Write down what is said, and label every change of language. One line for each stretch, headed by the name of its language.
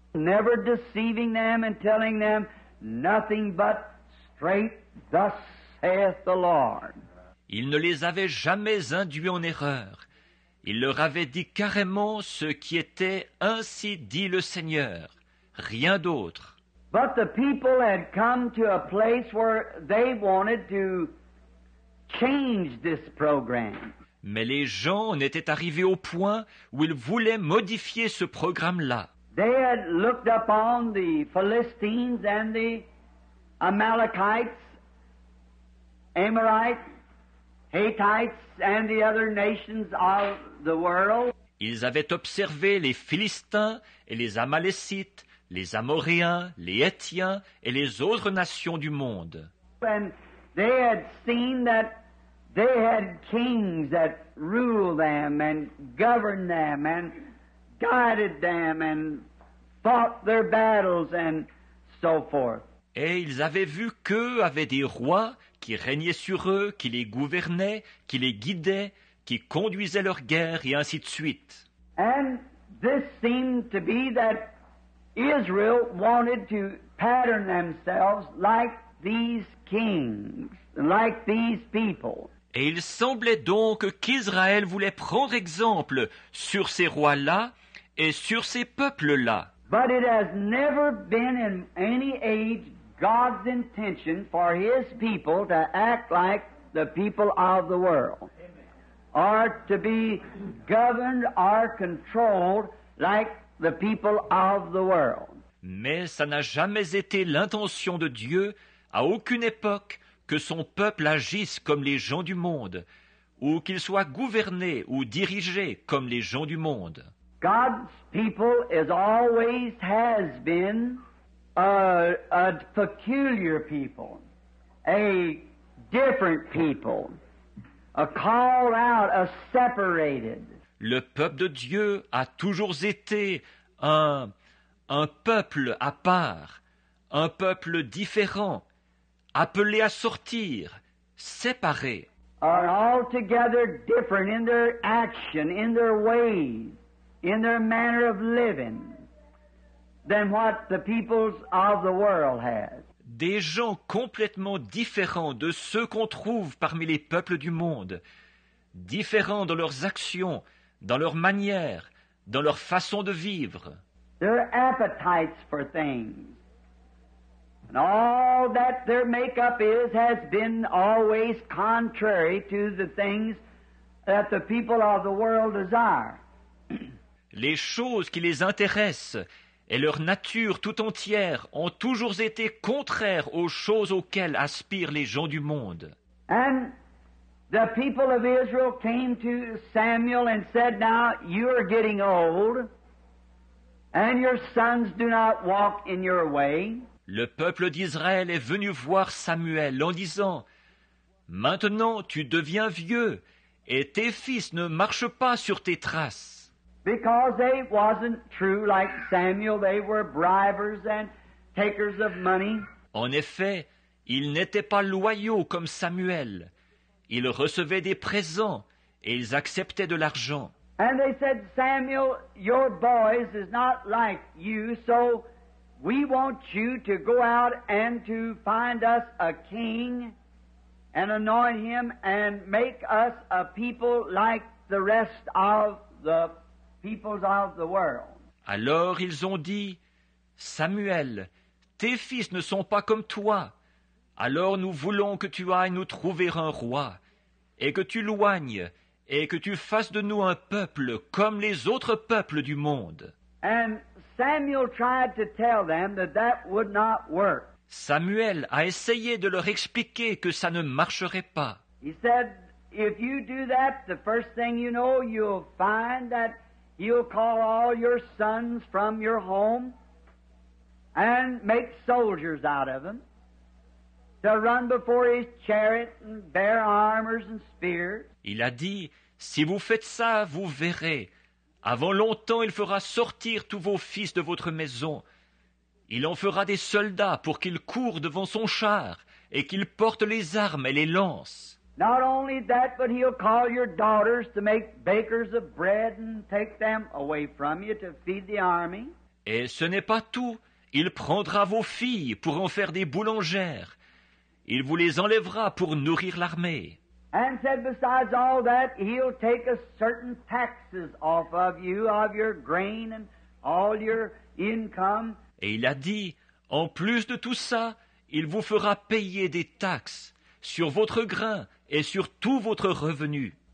English: Never deceiving them and telling them nothing but straight, thus saith the Lord.
French: Il ne les avait jamais induits en erreur. Il leur avait dit carrément ce qui était « Ainsi dit le Seigneur », rien d'autre.
English: But the people had come to a place where they wanted to change this program.
French: Mais les gens en étaient arrivés au point où ils voulaient modifier ce programme-là.
English: They had looked upon the Philistines and the Amalekites, Amorites, Hittites and the other nations of the world.
French: Ils avaient observé les Philistins et les Amalécites, les Amoréens, les Hittiens et les autres nations du monde.
English: And they had seen that they had kings that ruled them and governed them and guided them and fought their battles and so forth.
French: Et ils avaient vu qu'eux avaient des rois qui régnaient sur eux, qui les gouvernaient, qui les guidaient, qui conduisaient leur guerre et ainsi de suite.
English: And this seemed to be that Israel wanted to pattern themselves like these kings, like these people.
French: Et il semblait donc qu'Israël voulait prendre exemple sur ces rois-là et sur ces peuples-là.
English: But it has never been in any age God's intention for his people to act like the people of the world, or to be governed or controlled like the people of the world.
French: Mais ça n'a jamais été l'intention de Dieu, à aucune époque, que son peuple agisse comme les gens du monde, ou qu'il soit gouverné ou dirigé comme les gens du monde.
English: God's people is always has been a peculiar people, a different people, a called out, a separated.
French: Le peuple de Dieu a toujours été un peuple à part, un peuple différent, appelé à sortir, séparé.
English: Are altogether different in their action, in their ways, in their manner of living, than what the peoples of the world has.
French: Des gens complètement différents de ceux qu'on trouve parmi les peuples du monde, différents dans leurs actions, dans leurs manières, dans leur façon de vivre.
English: Their appetites for things, and all that their makeup is, has been always contrary to the things that the people of the world desire.
French: Les choses qui les intéressent et leur nature tout entière ont toujours été contraires aux choses auxquelles aspirent les gens du monde.
English: And the people of Israel came to Samuel and said, now you are getting old, and your sons do not walk in your way.
French: Le peuple d'Israël est venu voir Samuel en disant, maintenant tu deviens vieux, et tes fils ne marchent pas sur tes traces.
English: Because they wasn't true like Samuel, they were bribers and takers of money.
French: En effet, ils n'étaient pas loyaux comme Samuel. Ils recevaient des présents et ils acceptaient de l'argent.
English: And they said, Samuel, your boys is not like you, so we want you to go out and to find us a king and anoint him and make us a people like the rest of the peoples of the world.
French: Alors ils ont dit, Samuel, tes fils ne sont pas comme toi. Alors nous voulons que tu ailles nous trouver un roi, et que tu loignes, et que tu fasses de nous un peuple comme les autres peuples du monde.
English: And Samuel tried to tell them that that would not work.
French: Samuel a essayé de leur expliquer que ça ne marcherait pas.
English: He said, if you do that, the first thing you know, you'll find that he'll call all your sons from your home and make soldiers out of them, to run before his chariot and bear armors and spears.
French: Il a dit, si vous faites ça, vous verrez. Avant longtemps, il fera sortir tous vos fils de votre maison. Il en fera des soldats pour qu'ils courent devant son char et qu'ils portent les armes et les lances.
English: Not only that, but he'll call your daughters to make bakers of bread and take them away from you to feed the army.
French: Et ce n'est pas tout. Il prendra vos filles pour en faire des boulangères. Il vous les enlèvera pour nourrir l'armée.
English: And said besides all that, he'll take a certain taxes off of you, of your grain and all your income.
French: Et il a dit, en plus de tout ça, il vous fera payer des taxes sur votre grain et sur tout votre revenu.